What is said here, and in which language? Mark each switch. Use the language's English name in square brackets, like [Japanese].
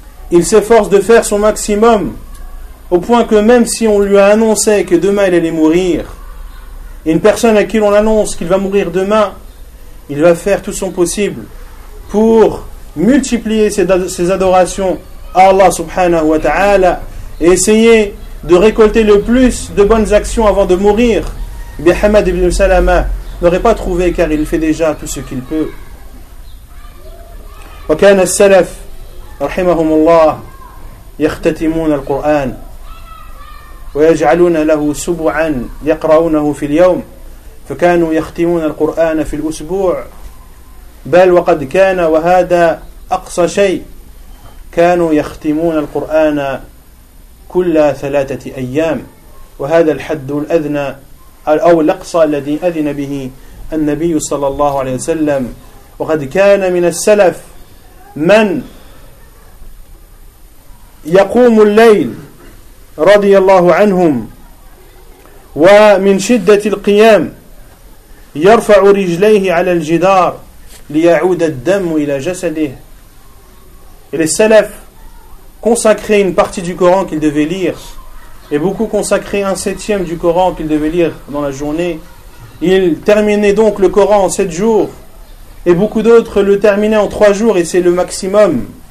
[French] Il s'efforce de faire son maximum au point que même si on lui a annoncé que demain il allait mourir, une personne à qui l'on annonce qu'il va mourir demain, il va faire tout son possible pour multiplier ses adorations à Allah subhanahu wa ta'ala et essayer de récolter le plus de bonnes actions avant de mourir. Et bien Hamad ibn Salama n'aurait pas trouvé, car il fait déjà tout ce qu'il peut. [Arabic] Wa kana as-salaf rahimahumullah yakhtatimun al-Qur'an wa yaj'aluna lahu subu'an yaqra'unahu fi al-yawm فكانوا يختمون القرآن في الأسبوع بل وقد كان وهذا أقصى شيء كانوا يختمون القرآن كل ثلاثة أيام وهذا الحد الأدنى أو الأقصى الذي أذن به النبي صلى الله عليه وسلم وقد كان من السلف من يقوم الليل رضي الله عنهم ومن شدة القيام يرفع رجليه على الجدار ليعود الدم إلى جسده. [French] Et les salafs consacraient une partie du Coran qu'ils devaient lire Et beaucoup consacraient un septième du Coran qu'ils devaient lire dans la journée. Ils terminaient donc le Coran en 7 jours. Et beaucoup d'autres le terminaient en 3 jours, et c'est le maximum.